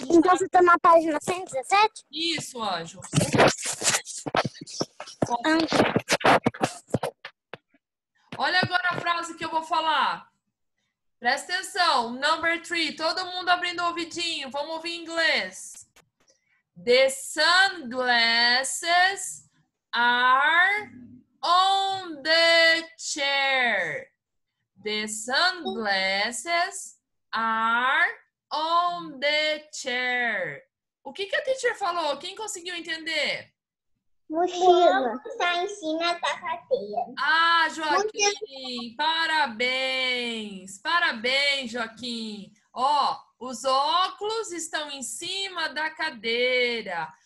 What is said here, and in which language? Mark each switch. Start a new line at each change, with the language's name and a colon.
Portuguese: Então você tá na página 117? Isso, anjo. Olha agora a frase que eu vou falar. Presta atenção,
English: number three,
Portuguese: todo mundo abrindo o ouvidinho, vamos ouvir em inglês.
English: The sunglasses are on the chair. The sunglasses are on the chair.
Portuguese: O que que a teacher falou? Quem conseguiu entender? Mochila. Ah, Joaquim, parabéns. Parabéns, Joaquim. Ó, os óculos estão em cima da cadeira.